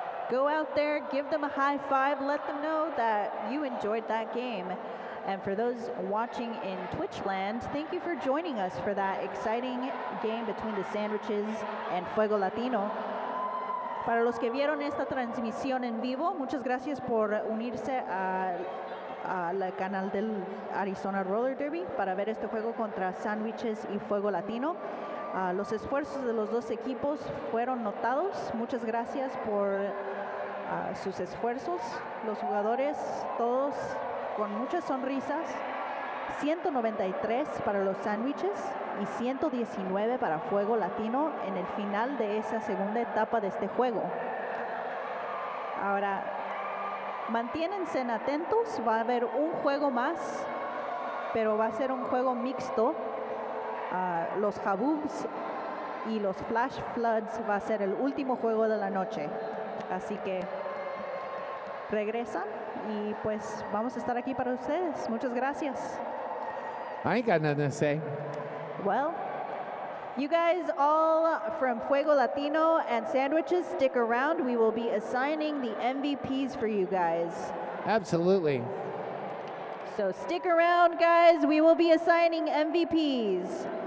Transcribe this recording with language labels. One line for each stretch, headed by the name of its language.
English: Go out there, give them a high five, let them know that you enjoyed that game. And for those watching in Twitch land, thank you for joining us for that exciting game between the sandwiches and Fuego Latino.
Spanish: Para los que vieron esta transmisión en vivo, muchas gracias por unirse al canal del Arizona Roller Derby para ver este juego contra Sandwiches y Fuego Latino. Los esfuerzos de los dos equipos fueron notados. Muchas gracias por sus esfuerzos. Los jugadores, todos con muchas sonrisas. 193 para los Sandwiches y 119 para Fuego Latino en el final de esa segunda etapa de este juego. Ahora, manténganse atentos, va a haber un juego más, pero va a ser un juego mixto. Los Haboobs y los Flash Floods va a ser el último juego de la noche. Así que regresan y pues vamos a estar aquí para ustedes. Muchas gracias.
English: I ain't got nothing to say. Well, You guys all from Fuego Latino and Sandwiches, stick around. We will be assigning the MVPs for you guys. Absolutely. So stick around, guys. We will be assigning MVPs.